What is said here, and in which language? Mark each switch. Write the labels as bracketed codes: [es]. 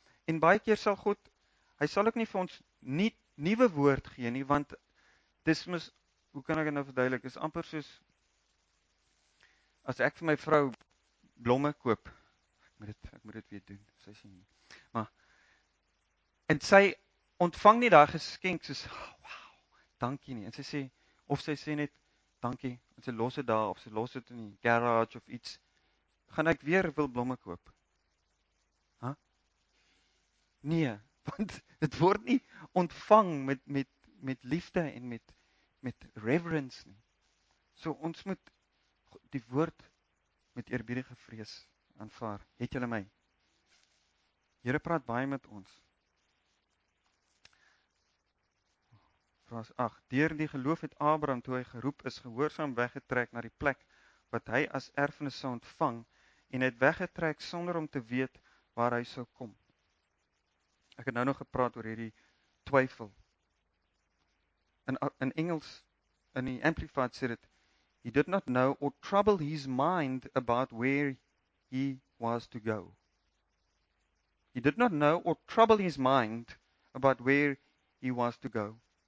[af] En baie keer sal God, hy sal ook nie vir ons nie nuwe woord gee nie, want dis mis, hoe kan ek dit nou verduidelik, is amper soos, as ek vir my vrou blomme koop, ek moet dit weer doen, sy sien nie, maar, en sy ontvang nie daar geskenk, soos, wow, dankie nie, en sy sê, of sy sê net, dankie, en sy los het daar, of sy los het in die garage of iets, gaan ek weer wil blomme koop? Ha? Nee, want het word nie ontvang met liefde en met reverence nie. So ons moet die woord met eerbiedige vrees aanvaar. Het julle my? Here praat baie met ons. Vers 8. Deur die geloof het Abraham toe hy geroep is gehoorsaam weggetrek na die plek wat hy as erfenis sou ontvang en het weggetrek sonder om te weet waar hy sou kom. Ek het nou nog gepraat oor hierdie twyfel. In Engels, in die Amplified sê dit, [en] he did not know or trouble his mind about where he was to go. He did not know or trouble his mind about where he was to go.